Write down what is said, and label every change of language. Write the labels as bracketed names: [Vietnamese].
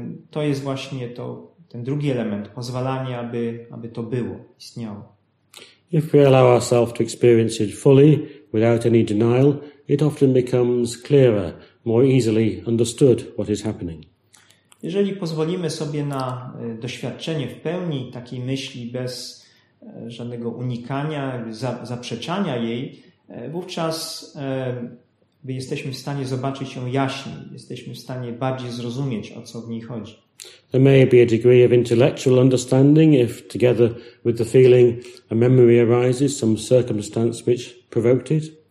[Polish] To jest właśnie to, ten drugi element, pozwalanie, aby to było, istniało. [English] If we allow ourselves to experience it fully, without any denial, it often becomes clearer, more easily understood what is happening. [Polish] Jeżeli pozwolimy sobie na doświadczenie w pełni takiej myśli bez żadnego unikania, zaprzeczania jej, wówczas jesteśmy w stanie zobaczyć ją jaśniej, jesteśmy w stanie bardziej zrozumieć, o co w niej chodzi. [English] There may be a degree of intellectual understanding if together with the feeling a memory arises, some circumstance which provoked it.